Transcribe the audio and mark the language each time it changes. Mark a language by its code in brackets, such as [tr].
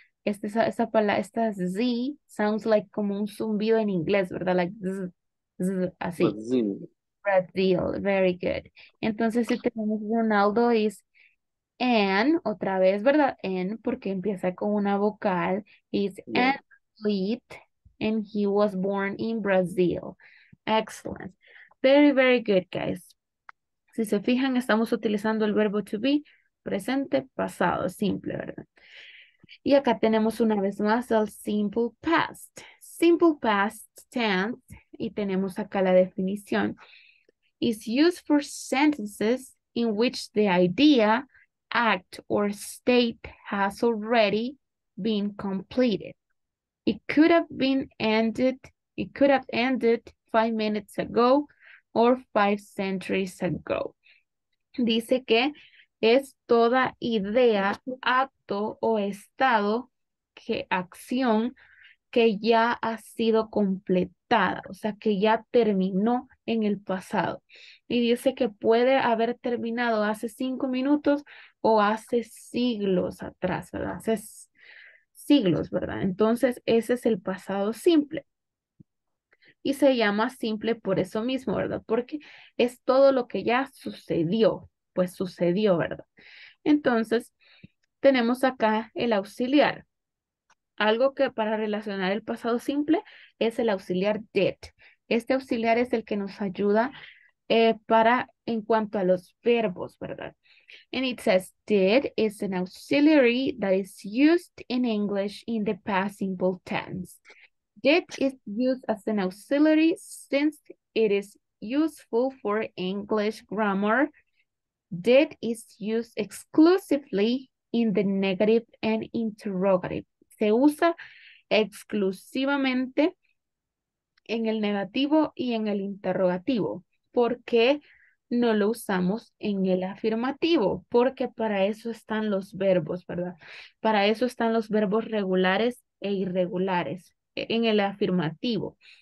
[es] Esta Z [en] sounds like [es] como un zumbido en inglés, ¿verdad? [en] Like z, z, así. Brazil. Brazil, very good. [es] Entonces, si tenemos Ronaldo, es en, otra vez, ¿verdad? En, porque empieza con una vocal. [en] He's an athlete, and he was born in Brazil. Excellent. Very, very good, guys. [es] Si se fijan, estamos utilizando el verbo to be. Presente, pasado, simple, ¿verdad? Y acá tenemos una vez más el simple past. [en] Simple past tense, [es] y tenemos acá la definición. [en] Is used for sentences in which the idea, act, or state has already been completed. It could have ended 5 minutes ago or 5 centuries ago. [es] Dice que es toda idea, acto o estado, que acción, que ya ha sido completada, o sea, que ya terminó en el pasado. Y dice que puede haber terminado hace 5 minutos o hace siglos atrás, ¿verdad? Hace siglos, ¿verdad? Entonces, ese es el pasado simple. Y se llama simple por eso mismo, ¿verdad? Porque es todo lo que ya sucedió. Pues sucedió, ¿verdad? Entonces, tenemos acá el auxiliar. Algo que para relacionar el pasado simple es el auxiliar did. Este auxiliar es el que nos ayuda para en cuanto a los verbos, ¿verdad? [en] And it says, did is an auxiliary that is used in English in the past simple tense. Did is used as an auxiliary since it is useful for English grammar. Did is used exclusively in the negative and interrogative. [es] Se usa exclusivamente en el negativo y en el interrogativo. ¿Por qué no lo usamos en el afirmativo? Porque para eso están los verbos, ¿verdad? Para eso están los verbos regulares e irregulares en el afirmativo.